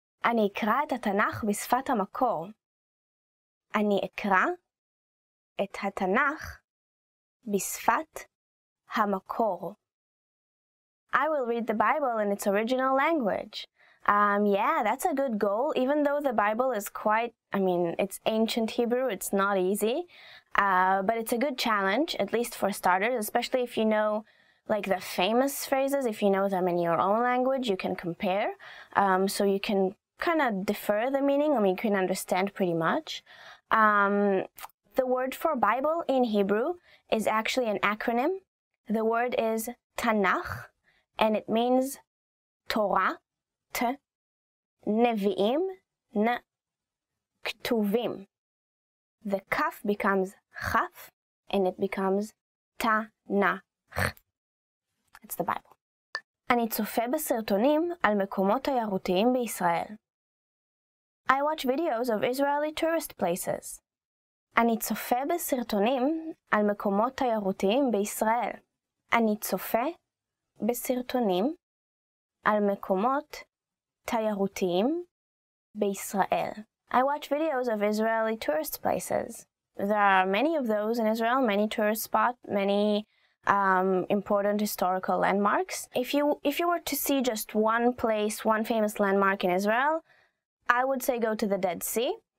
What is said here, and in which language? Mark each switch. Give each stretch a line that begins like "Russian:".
Hebrew: אני אקרא את התנ"ך בשפת המקור. אני אקרא את התנ"ך בשפת המקור.
English: I will read the Bible in its original language. Yeah, that's a good goal, even though the Bible is quite, I mean, it's ancient Hebrew, it's not easy, but it's a good challenge, at least for starters, especially if you know, like, the famous phrases, if you know them in your own language, you can compare, so you can kind of defer the meaning, I mean, you can understand pretty much. The word for Bible in Hebrew is actually an acronym. The word is Tanakh, and it means Torah. Nevi'im, Ktuvim. The kaf becomes chaf, and it becomes Tanakh. It's the Bible.
Hebrew: אני צופה בסרטונים על מקומות תיירותיים בישראל.
English: I watch videos of Israeli tourist places.
Hebrew: אני צופה בסרטונים על מקומות תיירותיים בישראל. אני צופה בסרטונים על מקומות תיירותיים בישראל.
English: I watch videos of Israeli tourist places. There are many of those in Israel, many tourist spots, many important historical landmarks. If you were to see just one place, one famous landmark in Israel, I would say go to the Dead Sea.